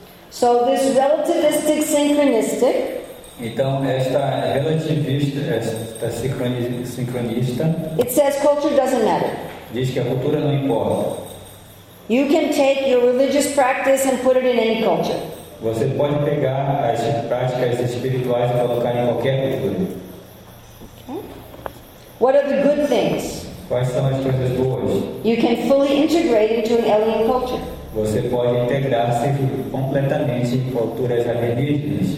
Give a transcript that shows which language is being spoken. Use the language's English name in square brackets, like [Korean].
[English] So this relativistic synchronistic. [Portuguese] Então esta relativista, esta sincronista. [English] It says culture doesn't matter. [Portuguese] Diz que a cultura não importa. [English] You can take your religious practice and put it in any culture. [Portuguese] Você pode pegar as práticas espirituais e colocar em qualquer cultura. [English] Okay. What are the good things? [Portuguese] Quais são as coisas boas? [English] You can fully integrate into an alien culture. [Portuguese] Você pode integrar-se completamente em culturas alienígenas.